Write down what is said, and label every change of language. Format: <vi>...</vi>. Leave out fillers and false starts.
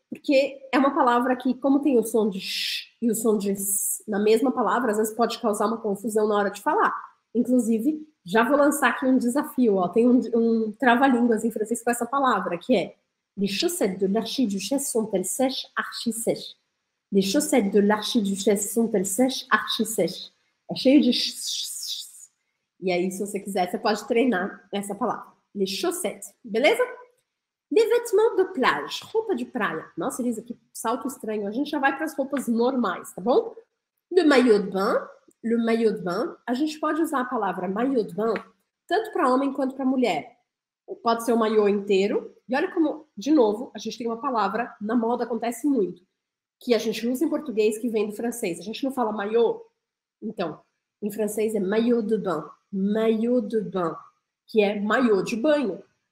<pt>Porque é uma palavra que, como tem o som de sh e o som de s na mesma palavra, às vezes pode causar uma confusão na hora de falar. Inclusive, já vou lançar aqui um desafio, ó. Tem um trava-línguas em francês com essa palavra, que é</pt> <fr>Les chaussettes de l'archiduchesse sont-elles sèches, archi sèches? Les chaussettes de l'archiduchesse sont-elles sèches, archi sèches?</fr> <pt>É cheio de ch-ch-ch-ch. E aí, se você quiser, você pode treinar essa palavra.</pt> <fr>Les chaussettes,</fr> <pt>beleza?</pt> <fr>Les vêtements de plage,</fr> <pt>roupa de praia. Nossa, Elisa, que salto estranho. A gente já vai para as roupas normais, tá bom?</pt> <fr>Le maillot de bain, le maillot de bain.</fr> <pt>A gente pode usar a palavra maillot de bain tanto para homem quanto para mulher. Pode ser o maiô inteiro. E olha como, de novo, a gente tem uma palavra, na moda acontece muito, que a gente usa em português que vem do francês. A gente não fala maiô? Então, em francês é maillot de bain. Maillot de bain, que é maiô de banho.</pt>